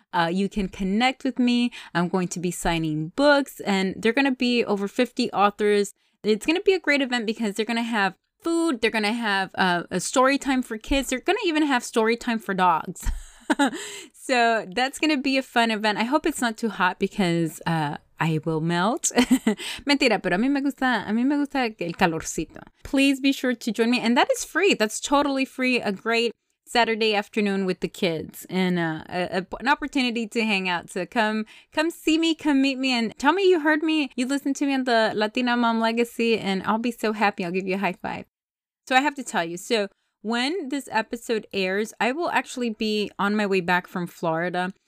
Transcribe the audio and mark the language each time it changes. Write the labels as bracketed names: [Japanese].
[English] You can connect with me. I'm going to be signing books, and they're going to be over 50 authors. It's going to be a great event because they're going to have food. They're going to have a story time for kids. They're going to even have story time for dogs. So that's going to be a fun event. I hope it's not too hot because I will melt. [Spanish] Mentira, pero a mí me gusta el calorcito. [English] Please be sure to join me. And that is free. That's totally free. A great Saturday afternoon with the kids and an opportunity to hang out. So come see me, come meet me, and tell me you heard me. You listened to me on the Latina Mom Legacy, and I'll be so happy. I'll give you a high five. So I have to tell you. So when this episode airs, I will actually be on my way back from Florida.